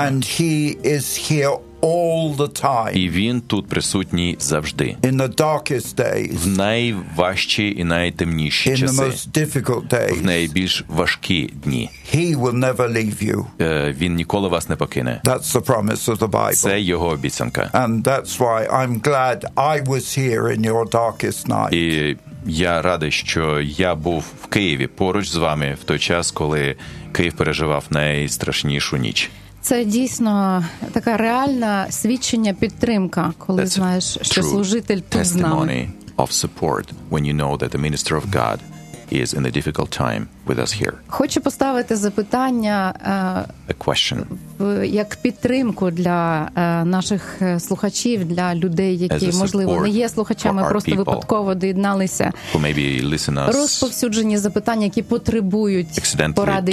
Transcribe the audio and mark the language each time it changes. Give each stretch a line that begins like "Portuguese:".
English: And he is here all the time.
Ukrainian: І він тут присутній завжди.
English: In the darkest days.
Ukrainian: В найважчі і найтемніші часи.
English: In the most difficult days.
Ukrainian: В найбільш важкі дні.
English: He will never leave you.
Ukrainian: Він ніколи вас не покине.
English: That's the promise of the Bible.
Ukrainian: Це його обіцянка.
English: And that's why I'm glad I was here in your darkest night.
Ukrainian: І я радий, що я був в Києві поруч з вами в той час, коли Київ переживав найстрашнішу ніч. Це дійсно така реальна свідчення, підтримка, коли
English: That's
Ukrainian: знаєш, що служитель тут з нами.
English: Testimony of support when you know that the minister of God is in a difficult time with us here.
Ukrainian: Хочу поставити запитання,
English: a question.
Ukrainian: Як підтримку для наших слухачів, для людей, які, можливо, не є слухачами, просто випадково доєдналися.
English: Who maybe listen us.
Ukrainian: Розповсюджені запитання, які потребують поради